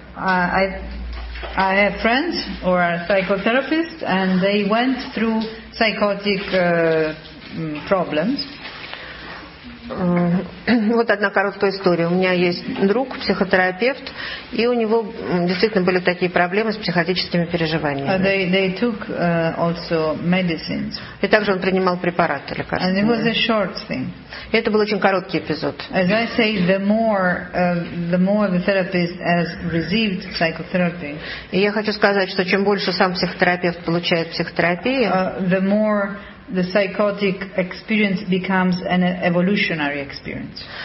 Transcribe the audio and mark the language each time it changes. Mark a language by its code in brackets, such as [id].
[en] I have friends who are psychotherapists, and they went through psychotic problems. [ru] Вот одна короткая история. У меня есть друг, психотерапевт, и у него действительно были такие проблемы с психотическими переживаниями. [en] They took also medicines. [ru] И также он принимал препараты лекарственные. [en] And it was a short thing. [ru] И это был очень короткий эпизод. [en] As I say, the more the therapist has received psychotherapy. [ru] И я хочу сказать, что чем больше сам психотерапевт получает психотерапии, [en] the more the psychotic experience becomes an evolutionary experience.